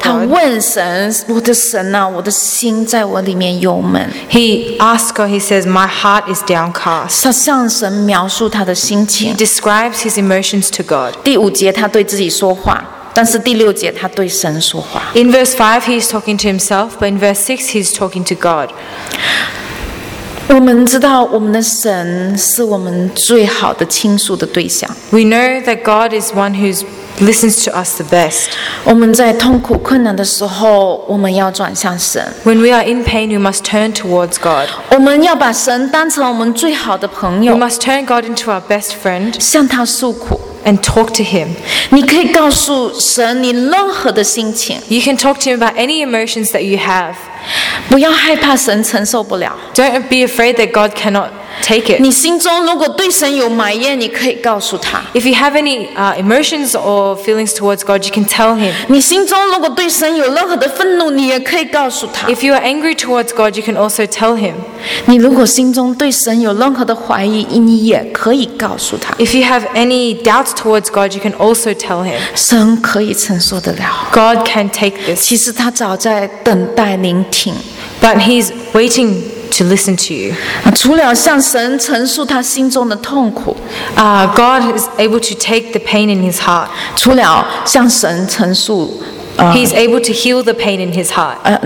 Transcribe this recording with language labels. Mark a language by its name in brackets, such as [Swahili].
[Chinese] 他问神，我的神哪，我的心在我里面忧闷。 [English] He asks God, he says, my heart is downcast. [Chinese] 他向神描述他的心情。 [English] He describes his emotions to God. [Chinese] 第五节他对自己说话。但是第六节他对神说话。 [English] In verse 5, he's talking to himself, but in verse 6, he's talking to God. [Chinese] 我们知道我们的神是我们最好的倾诉的对象。 [English] We know that God is one who listens to us the best. [Chinese] 我们在痛苦困难的时候，我们要转向神。 [English] When we are in pain, we must turn towards God. [Chinese] 我们要把神当成我们最好的朋友。 [English] We must turn God into our best friend. [Chinese] 向他诉苦。 [English] And talk to him. [Chinese] 你可以告诉神你任何的心情。 [English] You can talk to him about any emotions that you have. [Chinese] 不要害怕神承受不了。 [English] Don't be afraid that God cannot take it. [Chinese] 你心中如果对神有埋怨，你可以告诉他。 [English] If you have any emotions or feelings towards God, you can tell him. [Chinese] 你心中如果对神有任何的愤怒，你也可以告诉他。 [English] If you are angry towards God, you can also tell him. [Chinese] 你如果心中对神有任何的怀疑，你也可以告诉他。 [English] If you have any doubts towards God, you can also tell him. [Chinese] 神可以承受得了。 [English] God can take this. [Chinese] 其实他早在等待聆听。 [English] But he's waiting to listen to you. [Chinese] 除了向神陈述他心中的痛苦， [English] God is able to take the pain in his heart. [Chinese] 除了向神陈述， [English] He's able to heal the pain in his heart.